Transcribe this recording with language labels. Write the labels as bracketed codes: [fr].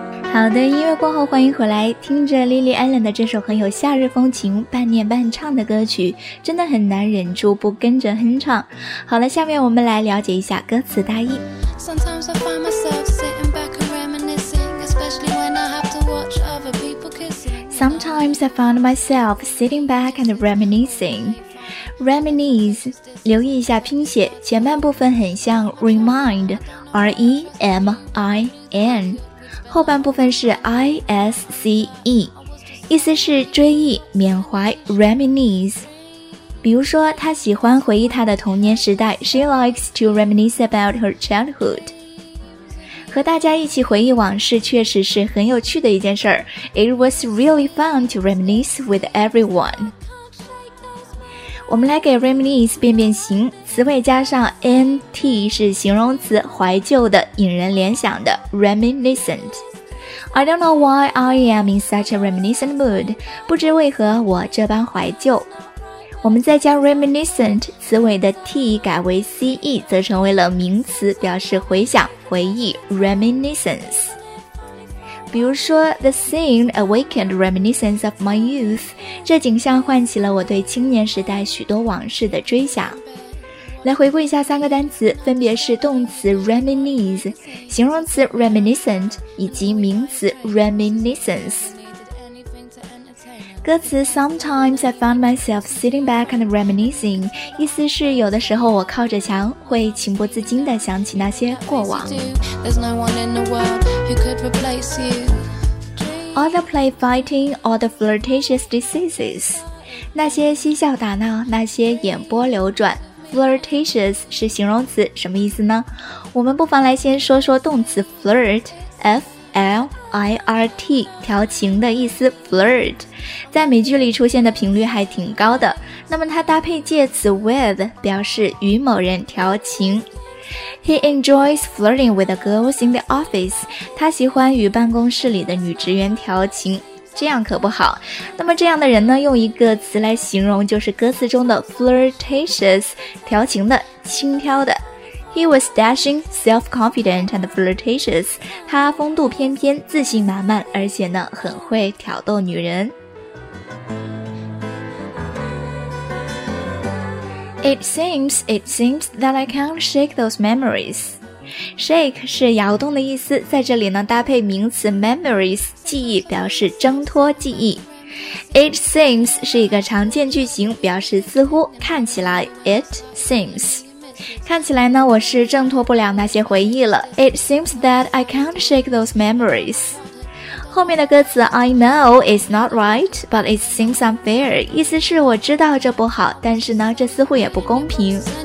[zh] 好的，音乐过后欢迎回来。听着 Lily Allen 的这首很有夏日风情半念半唱的歌曲，真的很难忍住不跟着哼唱。好了，下面我们来了解一下歌词大意。 [en] Sometimes I find myself sitting back and reminiscing, especially when I have to watch other people kissing. Sometimes I find myself sitting back and reminiscing. [zh] Reminisce, 留意一下拼写，前半部分很像 remind, R-E-M-I-N,后半部分是 ISCE, 意思是追忆缅怀 reminisce。比如说他喜欢回忆他的童年时代， She likes to reminisce about her childhood。和大家一起回忆往事确实是很有趣的一件事， It was really fun to reminisce with everyone。我们来给 reminisce 变变形，词尾加上 NT 是形容词，怀旧的，引人联想的， reminiscent。 [en] I don't know why I am in such a reminiscent mood, 不知为何我这般怀旧。 [zh] 我们再将 reminiscent 词尾的 T 改为 CE, 则成为了名词，表示回想，回忆， reminiscence。比如说 The scene awakened reminiscence of my youth, 这景象唤起了我对青年时代许多往事的追想。来回顾一下三个单词，分别是动词 reminisce， 形容词 reminiscent， 以及名词 reminiscence。歌词 Sometimes I find myself sitting back and reminiscing，意思是有的时候我靠着墙会情不自禁地想起那些过往。 [en] There's no one in the world who could replace you. All the play fighting, all the flirtatious diseases，那些嬉笑打闹，那些眼波流转。 [zh] Flirtatious 是形容词，什么意思呢？我们不妨来先说说动词 flirt， FLIRT， 调情的意思 flirt， 在美剧里出现的频率还挺高的。那么它搭配介词 with， 表示与某人调情。 He enjoys flirting with the girls in the office，他喜欢与办公室里的女职员调情，这样可不好。那么这样的人呢，用一个词来形容，就是歌词中的 flirtatious， 调情的，轻佻的。 [en] He was dashing, self-confident and flirtatious. [zh] 他风度翩翩，自信满满，而且呢，很会挑逗女人。 [en] It seems that I can't shake those memories. [zh] Shake 是摇动的意思，在这里呢，搭配名词 memories， 记忆，表示挣脱记忆。 It seems 是一个常见句型，表示似乎，看起来。 [en] It seems. [zh] 看起来呢，我是挣脱不了那些回忆了。 [en] It seems that I can't shake those memories. 后面的歌词 I know it's not right, but it seems unfair. [zh] 意思是我知道这不好，但是呢，这似乎也不公平。